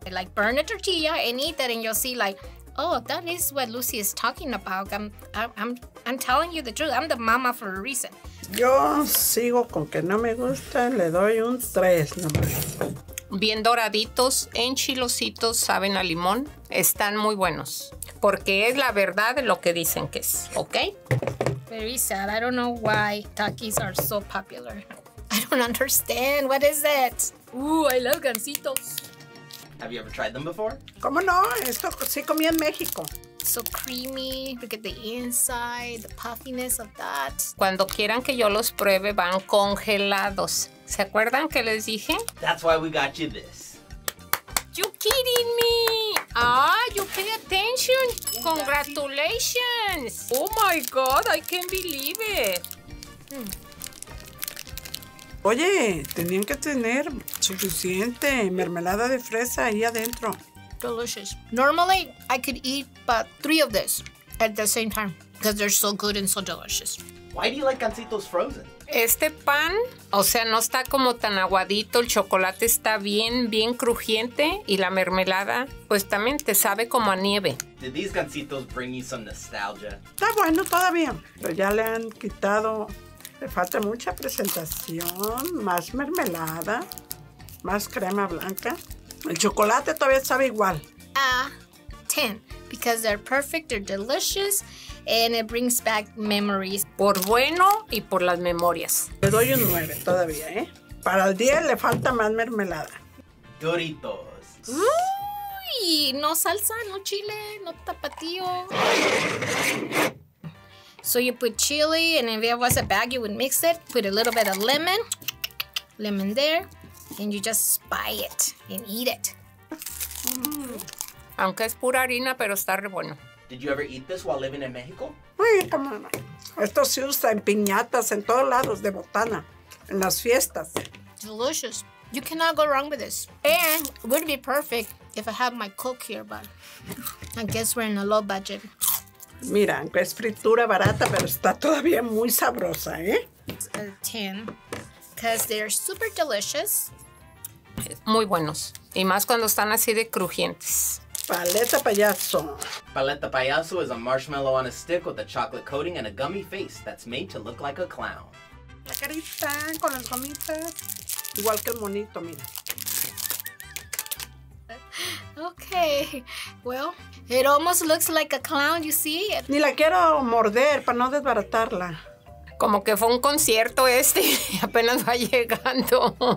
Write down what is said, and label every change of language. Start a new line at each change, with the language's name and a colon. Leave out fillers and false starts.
English: I like burn a tortilla and eat that, and you'll see like, oh, that is what Lucy is talking about. I'm telling you the truth. I'm the mama for a reason.
Spanish: Yo sigo con que no me gusta, le doy un 3 nomás. Bien doraditos, enchilositos, saben a limón. Están muy buenos. Porque es la verdad lo que dicen que es, ¿ok?
English: Very sad. I don't know why Takis are so popular. I don't understand. What is it? Ooh, I love gansitos. Have you ever tried them before?
Spanish: ¿Cómo no? Esto sí comí en México.
English: So creamy. Look at the inside, the puffiness of that.
Spanish: Cuando quieran que yo los pruebe, van congelados. ¿Se acuerdan que les dije?
English: That's why we got you this. You kidding me? Ah, you pay attention. Congratulations. Oh my God, I can't believe it.
Spanish: Oye, tenían que tener suficiente mermelada de fresa ahí adentro.
English: Delicious. Normally, I could eat but 3 of this at the same time because they're so good and so delicious. Why do you like gansitos frozen?
Spanish: Este pan, o sea, no está como tan aguadito, el chocolate está bien, bien crujiente y la mermelada, pues también te sabe como a nieve.
English: Did these gansitos bring you some nostalgia?
Spanish: Está bueno todavía, pero ya le han quitado, le falta mucha presentación, más mermelada, más crema blanca. El chocolate todavía sabe igual.
English: Ah, 10, because they're perfect, they're delicious. And it brings back memories.
Spanish: Por bueno y por las memorias. Le doy un 9 todavía, ¿eh? Para el 10 le falta más mermelada.
English: Doritos.
Spanish: Uy, no salsa, no chile, no tapatío.
English: So you put chili, and if it was a bag, you would mix it. Put a little bit of lemon. Lemon there. And you just spy it and eat it. Mm.
Spanish: Aunque es pura harina, pero está re bueno.
English: Did you ever eat this while living in Mexico? Uy, come on.
Spanish: Esto se usa en piñatas, en todos lados de botana, en las fiestas.
English: Delicious. You cannot go wrong with this. And it would be perfect if I had my cook here, but I guess we're in a low budget.
Spanish: Mira, aunque es fritura barata, pero está todavía muy sabrosa, ¿eh?
English: It's a 10, because they're super delicious.
Spanish: Muy buenos, y más cuando están así de crujientes. Paleta payaso.
English: Paleta payaso is a marshmallow on a stick with a chocolate coating and a gummy face that's made to look like a clown.
Spanish: La carita con las gomitas. Igual que el monito, mira.
English: Okay, well, it almost looks like a clown, you see?
Spanish: Ni la quiero morder para no desbaratarla. Como que fue un concierto este y apenas va llegando.